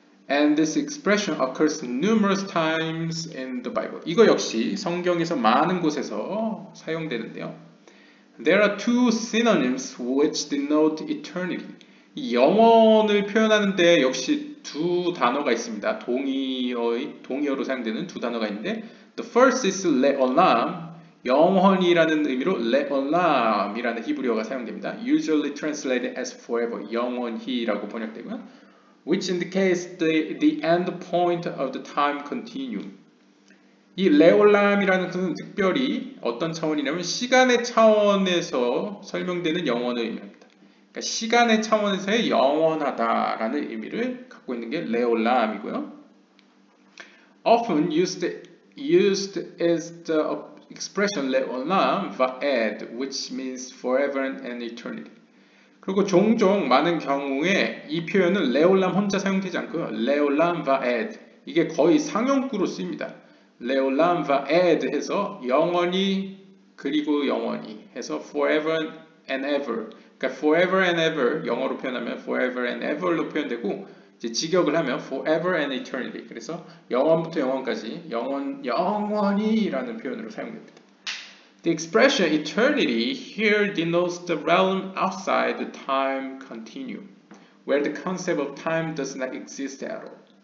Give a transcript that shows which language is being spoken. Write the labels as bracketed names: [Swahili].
[English] And this expression occurs numerous times in the Bible. [Korean] 이거 역시 성경에서 많은 곳에서 사용되는데요. [English] There are two synonyms which denote eternity. [Korean] 영원을 표현하는데 역시 두 단어가 있습니다. 동의어로 사용되는 두 단어가 있는데 [English] The first is le'olam, [Korean] 영원이라는 의미로 le'olam이라는 히브리어가 사용됩니다. [English] Usually translated as forever, [Korean] 영원히라고 번역되고요. [English] Which indicates the end point of the time continuum. [Korean] 이 레올람이라는 것은 특별히 어떤 차원이냐면 시간의 차원에서 설명되는 영원을 의미합니다. 그러니까 시간의 차원에서의 영원하다라는 의미를 갖고 있는 게 레올람이고요. [English] Often used is the expression 레올람 va'ed, which means forever and eternity. [Korean] 그리고 종종 많은 경우에 이 표현은 레올람 혼자 사용되지 않고요. 레올람 va'ed, 이게 거의 상용구로 쓰입니다. 레올람 va'ed 해서 영원히 그리고 영원히 해서 [English] forever and ever. [Korean] 그러니까 [English] forever and ever [Korean] 영어로 표현하면 forever and ever로 표현되고 이제 직역을 하면 [English] forever and eternity. [Korean] 그래서 영원부터 영원까지 영원히라는 표현으로 사용됩니다. [English] The expression eternity here denotes the realm outside the time continuum, where the concept of time does not exist at all.